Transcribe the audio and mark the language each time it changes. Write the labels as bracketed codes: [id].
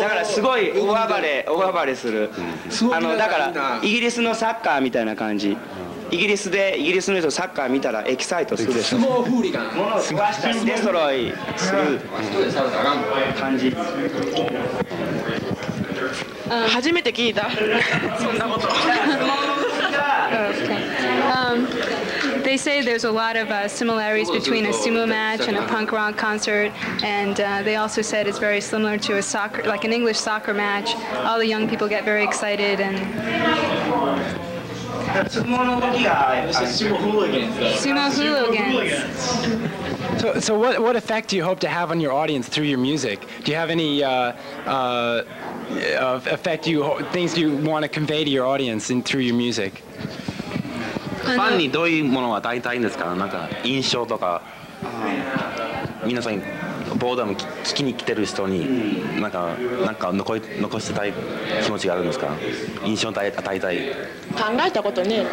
[ja] だからすごい大暴れする。あのだからイギリスのサッカーみたいな感じ。イギリスでイギリスの人サッカー見たらエキサイトするでしょ。スモーフーリガン、物を壊したりデストロイする感じ。初めて聞いたそんなこと。 [en] They say there's a lot of similarities between a sumo match and a punk rock concert, and they also said it's very similar to a soccer, like an English soccer match. All the young people get very excited and. Sumo hooligans. So what effect do you hope to have on your audience through your music? Do you have any effect? Things you want to convey to your audience in through your music? [ja] ファンにどういうものを与えたいんですか？なんか印象とか、皆さんボーダム聞きに来てる人に、なんか残してたい気持ちがあるんですか？印象を与えたい。考えたことね。